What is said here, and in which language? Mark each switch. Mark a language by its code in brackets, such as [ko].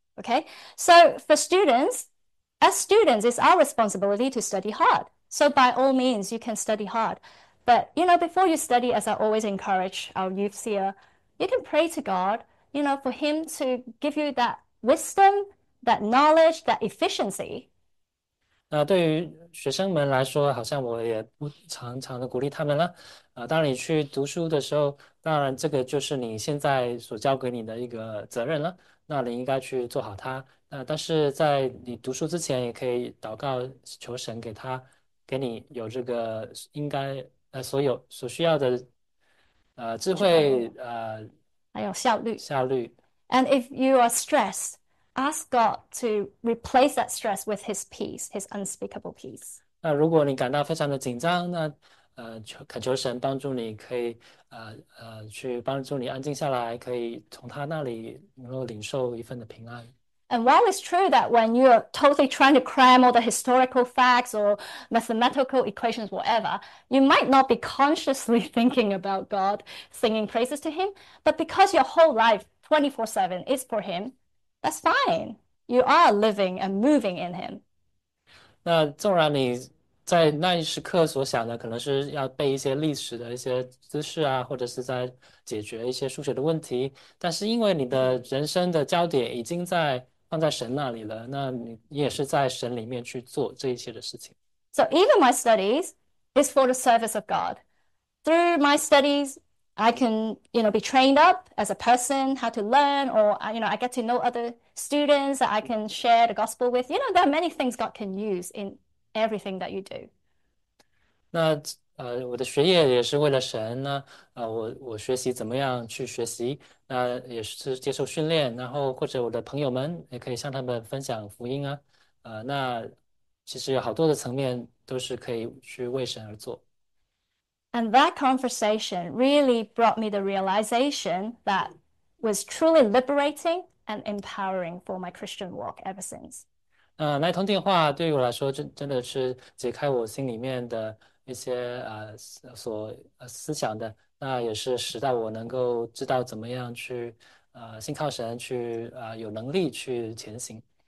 [en] OK，so for students, as students, it's our responsibility to study hard. So by all means, you can study hard. But you know, before you study, as I always encourage our youths here, you can pray to God, you know, for Him to give you that wisdom, that knowledge, that efficiency. [zh] 那对于学生们来说，好像我也不常常的鼓励他们了。当你去读书的时候，当然这个就是你现在所交给你的一个责任了。那你应该去做好它。但是在你读书之前，也可以祷告求神给你有这个应该所有所需要的智智慧，慧还有效率。效率。 [en] And if you are stressed, ask God to replace that stress with His peace, His unspeakable peace. [zh] 那如果你感到非常的紧张，那恳求神帮助你，可以去帮助你安静下来，可以从他那里能够领受一份的平安。 [en] And while it's true that when you're totally trying to cram all the historical facts or mathematical equations, whatever, you might not be consciously thinking about God, singing praises to Him, but because your whole life, 24/7, is for Him, that's fine. You are living and moving in Him. [zh] 那纵然你在那一时刻所想的可能是要背一些历史的一些知识啊，或者是在解决一些数学的问题，但是因为你的人生的焦点已经在放在神那里了，那你也是在神里面去做这一切的事情。 [en] So even my studies is for the service of God. Through my studies, I can, be trained up as a person, how to learn, or I get to know other students that I can share the gospel with. There are many things God can use in everything that you do. [zh] 那我的学业也是为了神呢，我学习怎么样去学习，那也是接受训练，然后或者我的朋友们也可以向他们分享福音啊，那其实有好多的层面都是可以去为神而做。 [en] And that conversation really brought me the realization that was truly liberating and empowering for my Christian walk ever since. [zh] 那通电话对于我来说真的是解开我心里面的一些思想的，那也是使到我能够知道怎么样去信靠神去有能力去前行。